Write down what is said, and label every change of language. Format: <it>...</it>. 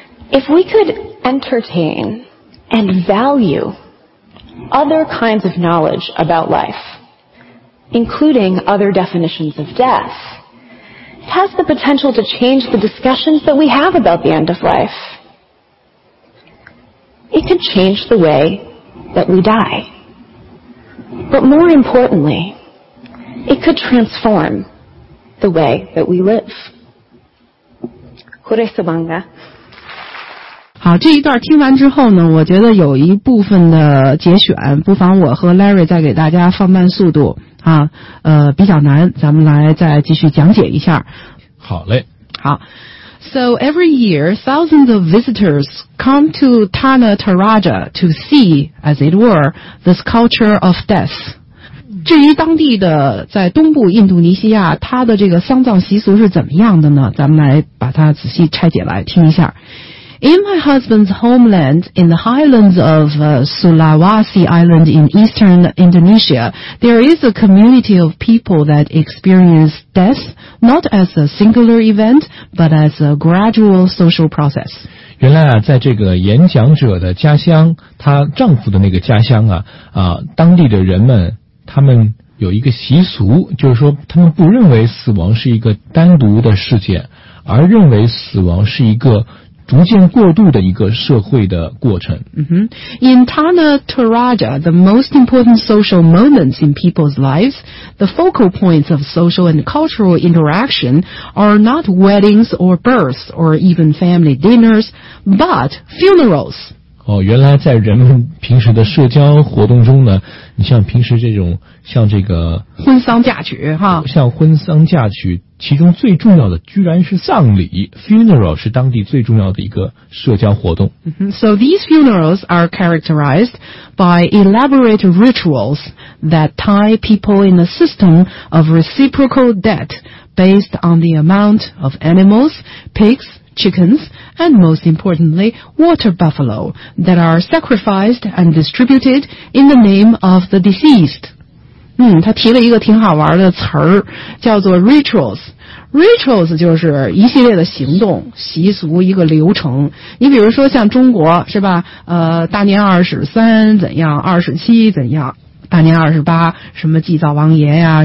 <en>If we could entertain and value other kinds of knowledge about life, including other definitions of death, it has the potential to change the discussions that we have about the end of life. It can change the way that we die. But more importantly, it could transform the way that we live. Kuresubanga.</en> <zh>好，这一段听完之后呢，我觉得有一部分的节选，不妨我和 Larry 再给大家放慢速度啊，比较难，咱们来再继续讲解一下。好嘞。好。</zh> <en>So every year, thousands of visitors come to Tanatoraja to see, as it were, the sculpture of death.</en> <zh>至于当地的在东部印度尼西亚，它的这个丧葬习俗是怎么样的呢？咱们来把它仔细拆解来听一下。</zh> <en>In my husband's homeland in the highlands of Sulawesi Island in eastern Indonesia, there is a community of people that experience death not as a singular event, but as a gradual social process.</en> <zh>原来啊，在这个演讲者的家乡，她丈夫的那个家乡啊，当地的人们，他们有一个习俗，就是说他们不认为死亡是一个单独的事件，而认为死亡是一个逐渐过渡的一个社会的过程。</zh> <en>In Tanatoraja, the most important social moments in people's lives, the focal points of social and cultural interaction are not weddings or births or even family dinners, but funerals.</en> <zh>哦，原来在人们平时的社交活动中呢，你像平时这种像这个婚丧嫁娶哈，像婚丧嫁娶。其中最重要的居然是葬礼 ,funeral 是当地最重要的一个社交活动。</zh> <en>So these funerals are characterized by elaborate rituals that tie people in a system of reciprocal debt based on the amount of animals, pigs, chickens, and most importantly, water buffalo that are sacrificed and distributed in the name of the deceased.</en> <zh>他提了一个挺好玩的词儿，叫做 rituals。 rituals 就是一系列的行动、习俗、一个流程。你比如说像中国是吧？大年二十三怎样？二十七怎样？大年二十八什么祭灶王爷呀、啊？</zh>